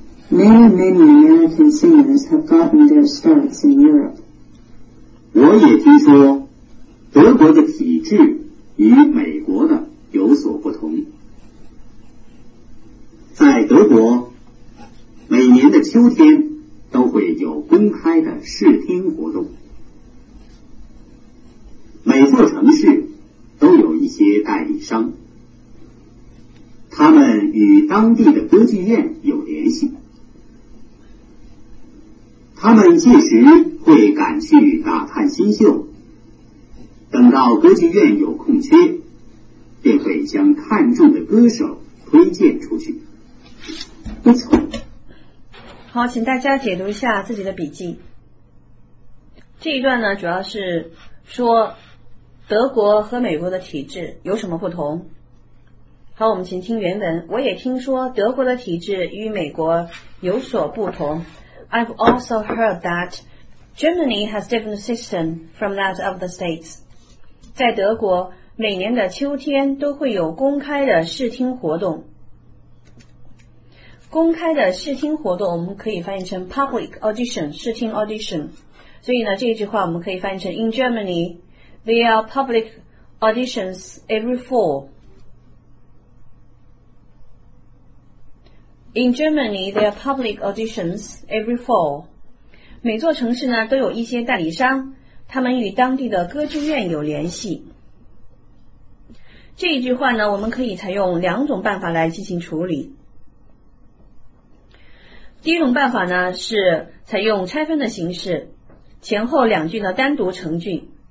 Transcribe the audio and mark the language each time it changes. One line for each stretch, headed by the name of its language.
English: Many American singers have gotten their starts in Europe.
Chinese: 我也听说德国的体制与美国的有所不同。在德国，每年的秋天都会有公开的试听活动。每座城市都有一些代理商，他们与当地的歌剧院有联系，他们届时会赶去打探新秀，等到歌剧院有空缺，便会将看中的歌手推荐出去。不错。好，请大家解读一下自己的笔记。这一段呢，主要是说德国和美国的体制有什么不同。好，我们请听原文。我也听说德国的体制与美国有所不同。
English: I've also heard that Germany has different system from that of the States.
Chinese: 在德国，每年的秋天都会有公开的试听活动。公开的试听活动我们可以翻译成
English: public audition,
Chinese: 试听 audition。所以呢，这句话我们可以翻译成
English: In Germany, there are public auditions every fall. In Germany, there are public auditions every fall.
Chinese: 每座城市呢都有一些代理商，他们与当地的歌剧院有联系。这一句话呢，我们可以采用两种办法来进行处理。第一种办法呢，是采用拆分的形式，前后两句呢单独成句。